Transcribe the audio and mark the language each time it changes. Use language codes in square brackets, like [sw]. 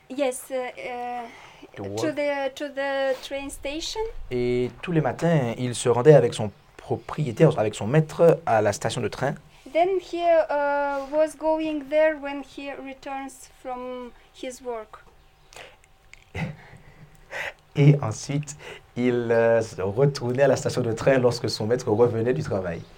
[en] Yes, to the train station. [fr] Et tous les matins, il se rendait avec son propriétaire, avec son maître, à la station de train. [en] Then he was going there when he returns from his work. [fr] Et ensuite, il retournait à la station de train lorsque son maître revenait du travail.